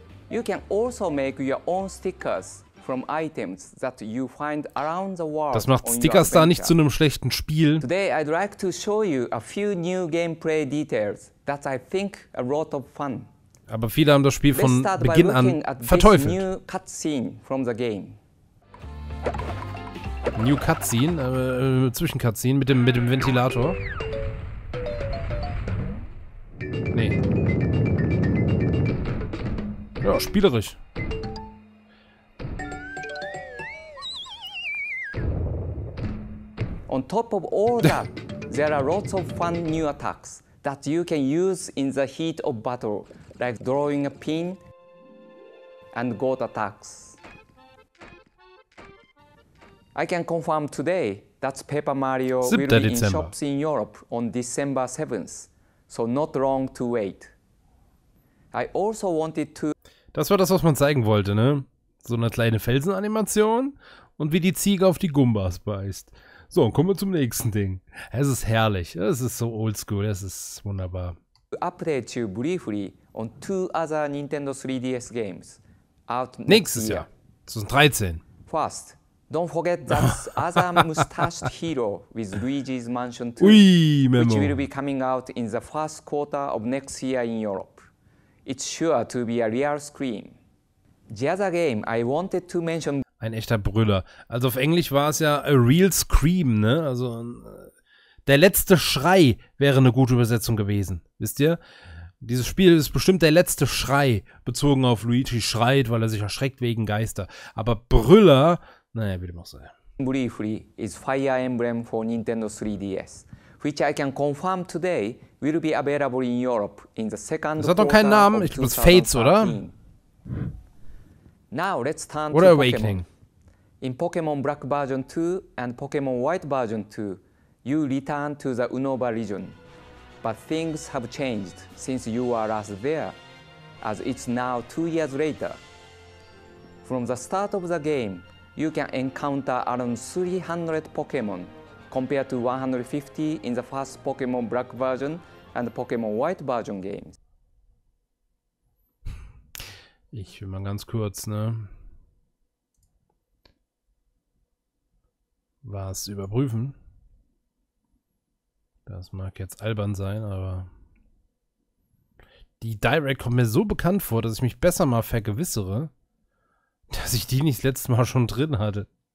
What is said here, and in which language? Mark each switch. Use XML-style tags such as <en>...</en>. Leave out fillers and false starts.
<en>You can also make your own stickers from items that you find around the world.</en> <de>Das macht Stickers da nicht zu einem schlechten Spiel.</de> <en>Today I'd like to show you a few new gameplay details that I think a lot of fun.</en> <de>Aber viele haben das Spiel von Beginn an verteufelt.</de> <en>New cutscene from the game. New cutscene,</en> <de>Zwischencutscene mit dem Ventilator. Nee. Ja, spielerisch.</de> <en>On top of all that, there are lots of fun new attacks that you can use in the heat of battle. Like drawing a pin and goat attacks. I can confirm today that Paper Mario will be in shops in Europe on December 7th, so not long to wait. I also wanted to.</en> <de>Das war das, was man zeigen wollte, ne? So eine kleine Felsenanimation und wie die Ziege auf die Goombas beißt. So, und kommen wir zum nächsten Ding. Es ist herrlich. Es ist so oldschool. Es ist wunderbar.</de> <en>To update you briefly on two other Nintendo 3DS games out</en> <de>nächstes Jahr, 2013.</de> <en>First, don't forget that other mustached hero with Luigi's Mansion 2, ui, Memo, which will be coming out in the first quarter of next year in Europe. It's sure to be a real scream. The other game I wanted to mention...</en> <de>Ein echter Brüller. Also auf Englisch war es ja</de> <en>a real scream,</en> <de>ne? Also der letzte Schrei wäre eine gute Übersetzung gewesen, wisst ihr? Dieses Spiel ist bestimmt der letzte Schrei, bezogen auf Luigi schreit, weil er sich erschreckt wegen Geister. Aber Brüller, naja, wie dem auch sei.</de> <en>Briefly is Fire Emblem for Nintendo 3DS. which I can confirm today, will be available in Europe in the second quarter of 2013.</en> <de>Das hat doch keinen Namen. Ich glaube, Fates, oder?</de> <en>Now let's turn to Pokémon. Awakening. In Pokémon Black Version 2 and Pokémon White Version 2, you return to the Unova region. But things have changed since you were last there, as it's now 2 years later. From the start of the game, you can encounter around 300 Pokémon, compared to 150 in the first Pokémon Black Version and Pokémon White Version games.</en> <de>Ich will mal ganz kurz, ne, was überprüfen. Das mag jetzt albern sein, aber die Direct kommt mir so bekannt vor, dass ich mich besser mal vergewissere, dass ich die nicht das letzte Mal schon drin hatte.</de>